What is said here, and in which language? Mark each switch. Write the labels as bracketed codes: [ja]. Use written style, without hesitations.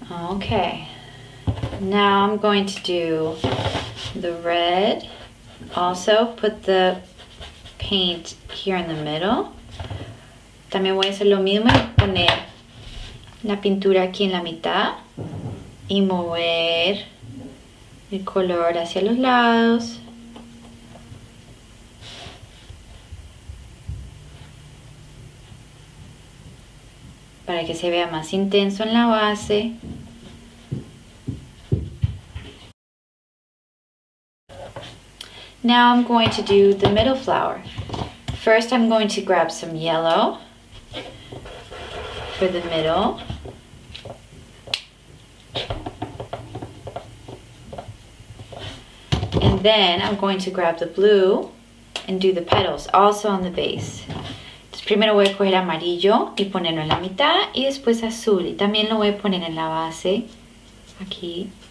[en] Okay, now I'm going to do the red. Also, put the paint here in the middle. [es] También voy a hacer lo mismo y poner la pintura aquí en la mitad y mover el color hacia los lados. Para que se vea más intenso en la base. [en] Now I'm going to do the middle flower. First, I'm going to grab some yellow for the middle. And then I'm going to grab the blue and do the petals, also on the base. [es] Entonces, primero voy a coger amarillo y ponerlo en la mitad y después azul. Y también lo voy a poner en la base, aquí.